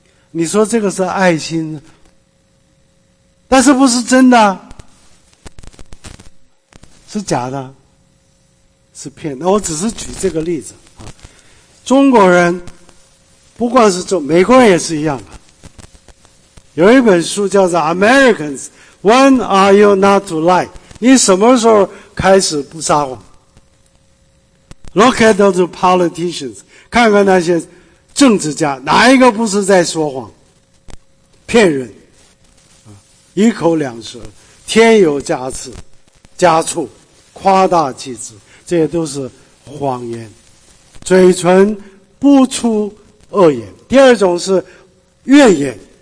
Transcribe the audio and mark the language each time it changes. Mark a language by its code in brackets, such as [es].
[zh] 你说这个是爱心，但是不是真的，是假的，是骗。那我只是举这个例子啊，中国人不管是中，美国人也是一样的。有一本书叫做 Americans。 [en] When are you not to lie? [zh] 你什么时候开始不撒谎？ [en] Look at those politicians. [zh] 看看那些政治家，哪一个不是在说谎？骗人。一口两舌，添油加醋，加醋，夸大其词，这些都是谎言。嘴唇不出恶言。第二种是怨言。